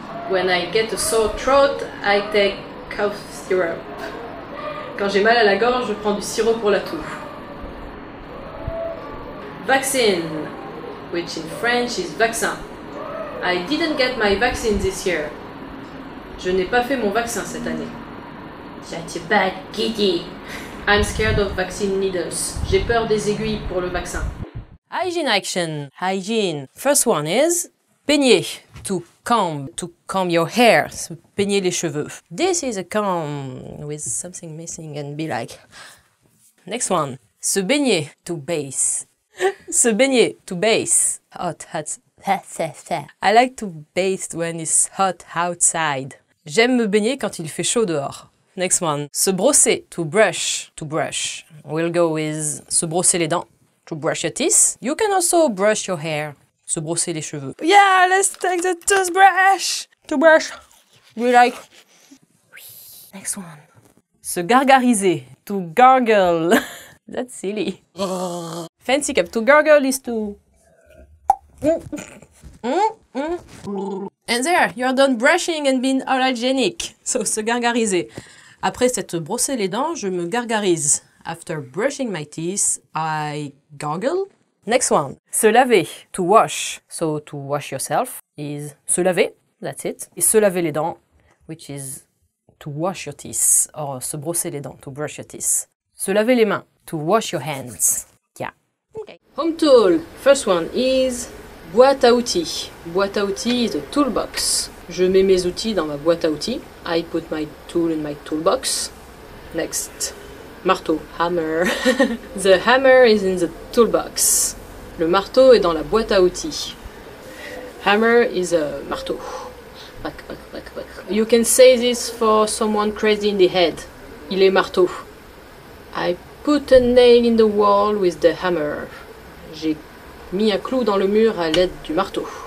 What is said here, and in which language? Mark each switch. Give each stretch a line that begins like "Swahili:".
English: When I get a sore throat, I take cough syrup.
French: Quand j'ai mal à la gorge, je prends du sirop pour la toux.
English: Vaccine, which in French is vaccin. I didn't get my vaccine this year.
French: Je n'ai pas fait mon vaccin cette année.
English: Such a bad kitty. I'm scared of vaccine needles.
French: J'ai peur des aiguilles pour le vaccin.
English: Hygiene action. Hygiene. First one is peigner. To comb your hair.
French: Peigner les cheveux.
English: This is a comb with something missing and be like. Next one.
French: Se baigner.
English: To bathe. Se baigner. To bathe. Hot, hot. I like to bathe when it's hot outside.
French: J'aime me baigner quand il fait chaud dehors.
English: Next one. Se brosser. To brush. To brush. We'll go with
French: se brosser les dents.
English: To brush your teeth. You can also brush your hair.
French: Se brosser les cheveux.
English: Yeah, let's take the toothbrush. To brush. We like. Next one. Se gargariser. To gargle. That's silly. Fancy cap. To gargle is to. And there, you're done brushing and being all hygienic.
French: So, se gargariser. Après s'être brossé les dents, je me gargarise.
English: After brushing my teeth, I gargle. Next one. Se laver. To wash. So to wash yourself is se laver. That's it.
French: Et se laver les dents,
English: which is to wash your teeth. Or
French: se brosser les dents,
English: to brush your teeth.
French: Se laver les mains.
English: To wash your hands. Yeah. Okay. Home tool. First one is boîte à outils. Boîte à outils is a toolbox.
French: Je mets mes outils dans ma boîte à outils.
English: I put my tool in my toolbox. Next. Marteau. Hammer. The hammer is in the toolbox.
French: Le marteau est dans la boîte à outils.
English: Hammer is a marteau. Back, back, back, back. You can say this for someone crazy in the head.
French: Il est marteau.
English: I put a nail in the wall with the hammer.
French: J'ai mis un clou dans le mur à l'aide du marteau.